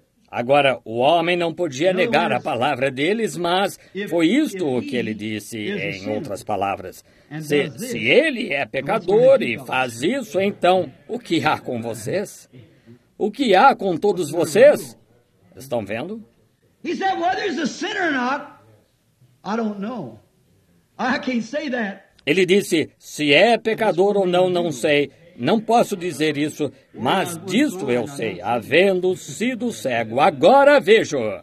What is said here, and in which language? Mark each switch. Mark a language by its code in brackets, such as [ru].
[pt] Agora, o homem não podia negar a palavra deles, mas foi isto o que ele disse em outras palavras. Se ele é pecador e faz isso, então, o que há com vocês? O que há com todos vocês? Estão vendo? Ele disse, [en] whether he's a sinner or not, I don't know. I can't say that. [pt] Ele disse, se é pecador ou não, não sei. Não posso dizer isso, mas disto eu sei, havendo sido cego. Agora vejo.